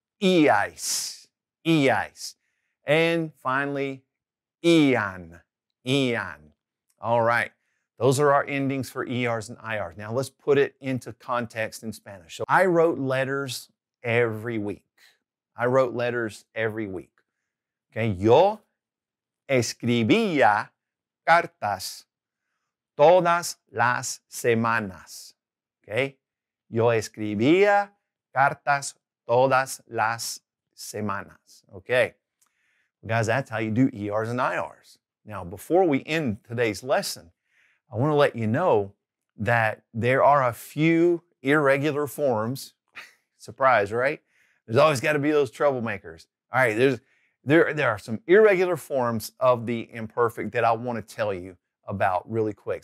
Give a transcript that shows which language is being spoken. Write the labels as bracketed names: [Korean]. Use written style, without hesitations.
[Spanish] Íais, íais. And finally, ían, ían. [English] All right, those are our endings for ERs and IRs. Now let's put it into context in Spanish. So I wrote letters every week. I wrote letters every week, okay? [Spanish] Yo escribía cartas todas las semanas, ok? Okay? Yo escribía cartas todas las semanas. [English] Okay? Guys, that's how you do ERs and IRs. Now, before we end today's lesson, I want to let you know that there are a few irregular forms. Surprise, right? There's always got to be those troublemakers. All right, there are some irregular forms of the imperfect that I want to tell you about really quick.